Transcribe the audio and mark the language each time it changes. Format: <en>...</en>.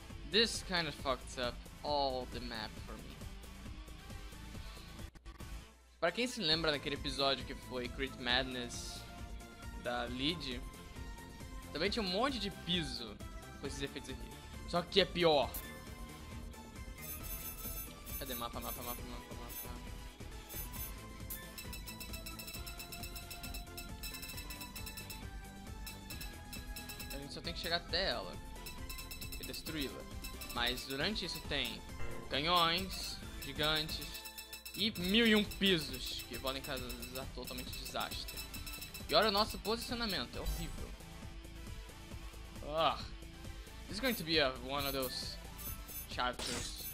<en>This kind of fucked up all the map for me.</en> <pt>Pra quem se lembra daquele episódio que foi Crit Madness da Lead, também tinha um monte de piso com esses efeitos aqui. Só que é pior. Cadê mapa? A gente só tem que chegar até ela e destruí-la. Mas durante isso tem canhões, gigantes e mil e um pisos que podem causar totalmente desastre. E olha o nosso posicionamento, é horrível. Ugh.</pt> <en>This is going to be one of those chapters.</en>